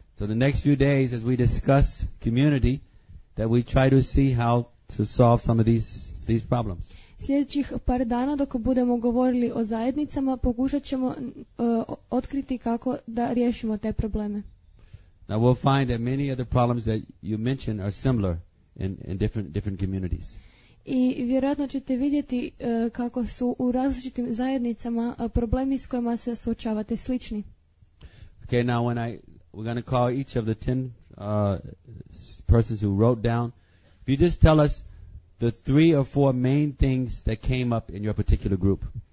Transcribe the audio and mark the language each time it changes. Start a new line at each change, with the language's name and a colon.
English: So the next few days as we discuss community, that we try to see how to solve some of these problems.
Croatian: Sljedećih par dana dok budemo govorili o zajednicama, pokušat ćemo otkriti kako da riješimo te probleme.
English: Now we'll find that many of the problems that you mentioned are similar in different communities.
Croatian: I vjerojatno ćete vidjeti kako su u različitim zajednicama problemi s kojima se suočavate slični.
English: Okay, now we're going to call each of the 10 persons who wrote down. If you just tell us the 3 or 4 main things that came up in your particular group.